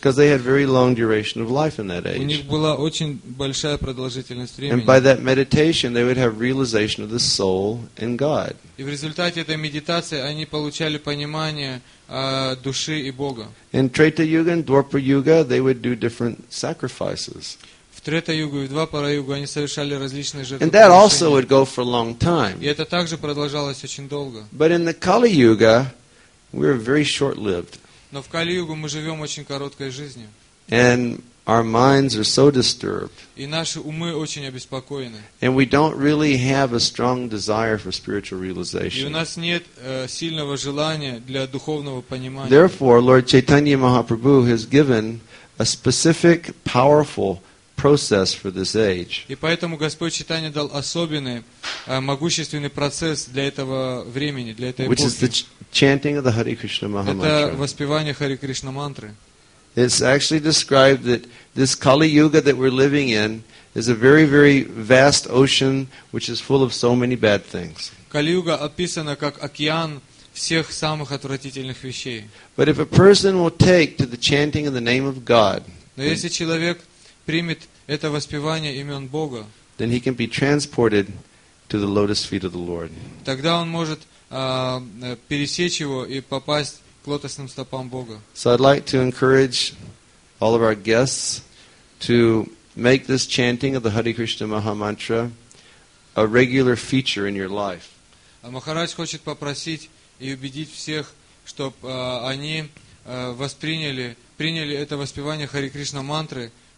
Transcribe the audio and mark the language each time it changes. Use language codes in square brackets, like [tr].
[en] Because they had very long duration of life in that age. [ru] У них была очень большая продолжительность времени. [en] And by that meditation, they would have realization of the soul and God. [ru] И в результате этой медитации они получали понимание души и Бога. [en] In Treta Yuga and Dwapara Yuga, they would do different sacrifices. [ru] В Трета-югу и в Двапара-югу они совершали различные жертвы. [en] And that also would go for a long time. [ru] И это также продолжалось очень долго. [en] But in the Kali-юга, we are very short-lived. [ru] Но в Кали-югу мы живем очень короткой жизнью. [en] And our minds are so disturbed. [ru] И наши умы очень обеспокоены. [en] And we don't really have a strong desire for spiritual realization. [ru] И у нас нет сильного желания для духовного понимания. [en] Therefore, Lord Chaitanya Mahaprabhu has given a specific, powerful process for this age. [ru] И поэтому Господь Читания дал особенный могущественный процесс для этого времени, для этой эпохи. [en] Which is the chanting of the Hare Krishna Maha Mantra. [ru] Это воспевание Хари Кришна мантры. [en] It's actually described that this Kali Yuga that we're living in is a very, very vast ocean which is full of so many bad things. [ru] Кали Юга описана как океан всех самых отвратительных вещей. [en] But if a person will take to the chanting of the name of God, [ru] но если человек примет это воспевание имен Бога, [en] then he can be transported to the lotus feet of the Lord. [ru] Тогда он может пересечь его и попасть к лотосным стопам Бога. [en] So I'd like to encourage all of our guests to make this chanting of the Hare Krishna Maha Mantra a regular feature in your life. [ru] Махарадж хочет попросить и убедить всех, чтобы они приняли это воспевание Хари Кришна мантры.